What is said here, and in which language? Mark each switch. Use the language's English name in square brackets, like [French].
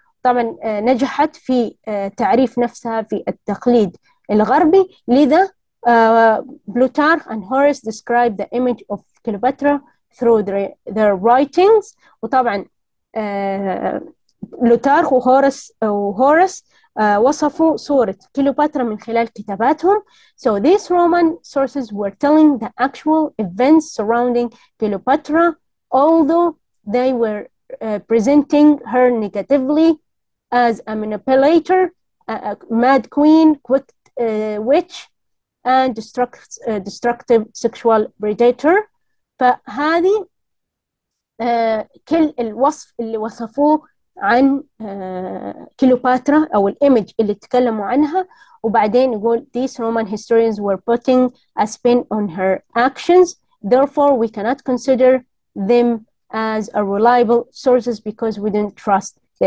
[Arabic] طبعا نجحت في تعريف نفسها في التقليد الغربي، لذا بلوتارخ and هوريس [English] describe the image of Cleopatra through their writings. [Arabic] وطبعا بلوتارخ وهوريس وصفوا صورة كليوباترا من خلال كتاباتهم. [English] So these Roman sources were telling the actual events surrounding Cleopatra, although they were presenting her negatively as a manipulator, a mad queen, quick witch, and destructive sexual predator. [Arabic] فهذه كل الوصف اللي وصفوه عن كليوباترا أو الإيمج اللي تكلموا عنها. وبعدين يقول [English] these Roman historians were putting a spin on her actions, therefore we cannot consider them as a reliable sources because we didn't trust.